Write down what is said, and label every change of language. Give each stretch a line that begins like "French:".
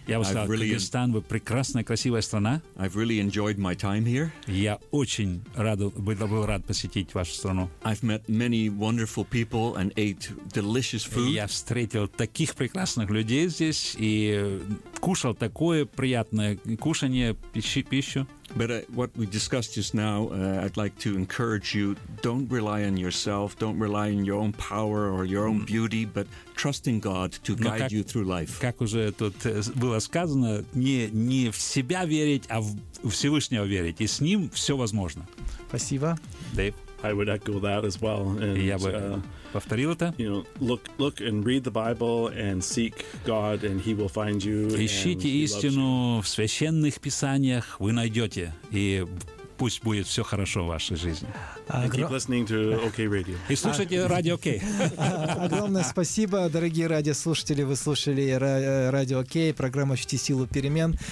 Russian: Я бы сказал, Кыргызстан, вы прекрасная, красивая страна.
English: I've really enjoyed my time here.
Russian: Я очень был рад посетить вашу страну.
English: I've met many wonderful people and ate delicious food.
Russian: Я встретил таких прекрасных людей здесь и кушал такое приятное кушание, пищу.
English: But what we discussed just now, I'd like to encourage you, don't rely on yourself, don't rely on your own power or your own beauty, but trust in God to guide you through life.
Russian: Как уже тут было сказано, не в себя верить, а в Всевышнего верить, и с ним все возможно. Спасибо. Дэйв.
English: I would echo that as well.
Russian: And, я бы повторил это.
English: You know, look and read the Bible and seek God and he will find you.
Russian: Ищите истину в священных писаниях, вы найдете. И пусть будет все хорошо в вашей жизни.
English: Keep listening to OK Radio.
Russian: И слушайте радио OK. Огромное спасибо, дорогие радиослушатели. Вы слушали радио OK, программа «Ощути силу перемен».